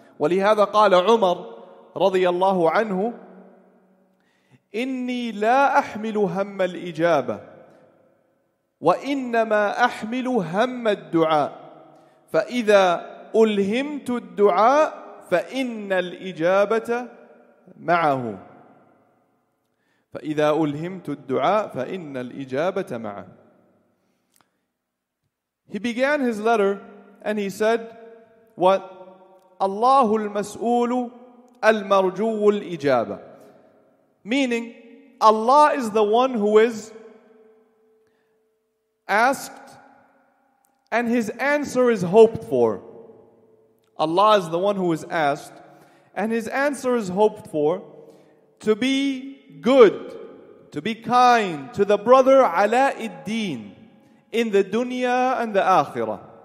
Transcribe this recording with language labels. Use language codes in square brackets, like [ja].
[ar] ولهذا قال عمر رضي الله عنه: إني لا أحمل هم الإجابة، وإنما أحمل هم الدعاء، فإذا ألهمت الدعاء فإن الإجابة معه. فإذا ألهمت الدعاء فإن الإجابة معه. [en] He began his letter and he said, what? [ar] الله المسؤول المرجو الإجابة. [en] Meaning, Allah is the one who is asked and his answer is hoped for. Allah is the one who is asked and his answer is hoped for to be good, to be kind to the brother Ala al-Din in the dunya and the akhirah.